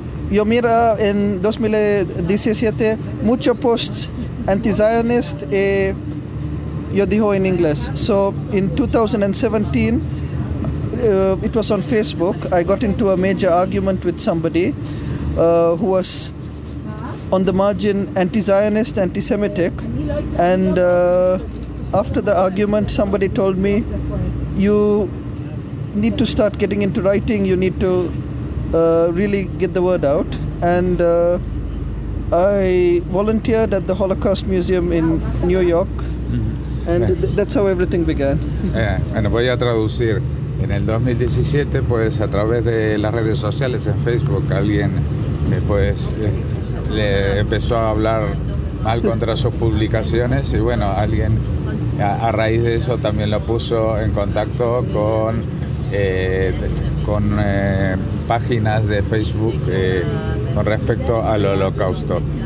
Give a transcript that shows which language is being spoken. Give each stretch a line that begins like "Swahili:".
Spanish: Yo miro en 2017 muchos posts anti-zionistas y yo dijo en inglés.
English: So in 2017, it was on Facebook. I got into a major argument with somebody who was on the margin anti-Zionist, anti-Semitic. And after the argument, somebody told me, you need to start getting into writing. You need to really get the word out. And I volunteered at the Holocaust Museum in New York. And that's how everything began.
Spanish: Bueno, voy a traducir. En el 2017, pues a través de las redes sociales, en Facebook, alguien le empezó a hablar mal contra sus publicaciones, y bueno, alguien a raíz de eso también lo puso en contacto con páginas de Facebook con respecto al Holocausto.